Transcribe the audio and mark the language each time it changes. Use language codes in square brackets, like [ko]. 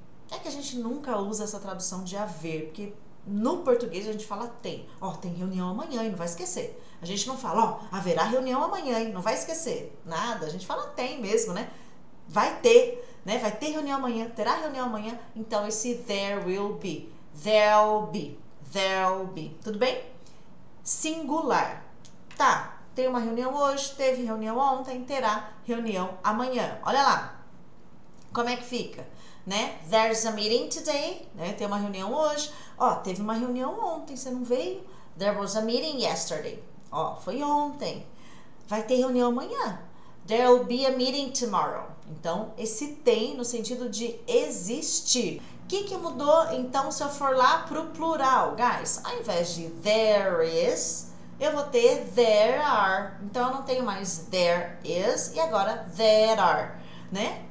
[pt] É que a gente nunca usa essa tradução de haver, porque no português a gente fala tem. Ó, tem reunião amanhã e não vai esquecer. A gente não fala, ó, haverá reunião amanhã e não vai esquecer. Nada, a gente fala tem mesmo, né? Vai ter, né? Vai ter reunião amanhã, terá reunião amanhã. Então esse [en] there will be, there'll be, there'll be. [pt] Tudo bem? Singular. Tá, tem uma reunião hoje, teve reunião ontem, terá reunião amanhã. Olha lá. Como é que fica? Né? [en] There's a meeting today, né? [pt] Tem uma reunião hoje. Ó, teve uma reunião ontem, você não veio? [en] There was a meeting yesterday. [pt] Ó, foi ontem. Vai ter reunião amanhã. [en] There'll be a meeting tomorrow. [pt] Então, esse tem no sentido de existir. O que que mudou então se eu for lá para o plural, guys? Ao invés de [en] there is, [pt] eu vou ter [en] there are. [pt] Então, eu não tenho mais [en] there is [pt] e agora [en] there are. [pt] Né?